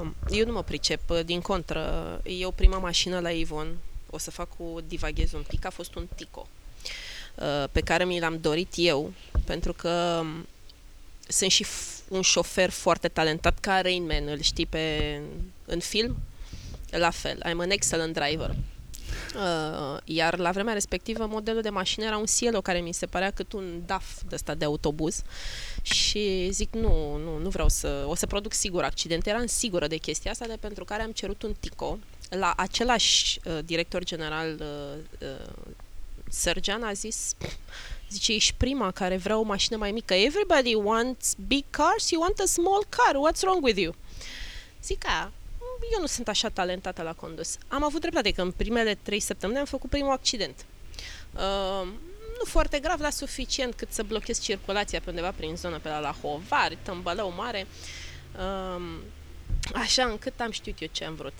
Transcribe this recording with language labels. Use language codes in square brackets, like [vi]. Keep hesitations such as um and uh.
[ro] eu nu mă pricep, din contră. Eu prima mașină la Avon, o să fac cu divaghez un pic, a fost un Tico pe care mi l-am dorit eu, pentru că sunt și f- un șofer foarte talentat, ca Rain Man, îl știi pe, în film? La fel, [en] I'm an excellent driver. [ro] Uh, iar la vremea respectivă modelul de mașină era un Cielo care mi se părea cât un DAF de ăsta de autobuz și zic nu, nu, nu vreau să, o să produc sigur accident. Era în sigură de chestia asta de pentru care am cerut un Tico la același uh, director general uh, uh, Sergean a zis, zice, ești prima care vrea o mașină mai mică. [en] Everybody wants big cars, you want a small car, what's wrong with you? [ro] Zic, a, eu nu sunt așa talentată la condus. Am avut dreptate că în primele trei săptămâni am făcut primul accident. Uh, nu foarte grav, dar suficient cât să blochez circulația pe undeva prin zona pe la la Lahovar, Tâmbălău Mare, uh, așa încât am știut eu ce am vrut.